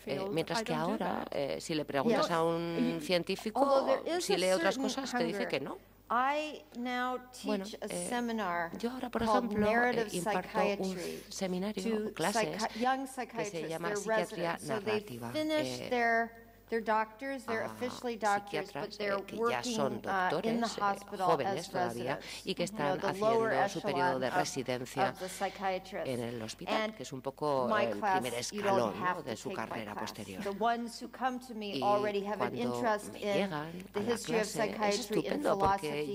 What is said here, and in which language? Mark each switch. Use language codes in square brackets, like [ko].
[es] Mientras que ahora, si le preguntas a un científico, si lee otras cosas, te dice que no. Bueno, yo ahora, por ejemplo, imparto un seminario, clases, que se llama Psiquiatría Narrativa. [en] They're doctors, they're officially doctors, but they're working in the hospital [es] jóvenes todavía y que están haciendo su periodo de residencia en el hospital, que es un poco el primer escalón de su carrera posterior. [en] The ones who come to me already have an interest in the history of psychiatry and philosophy,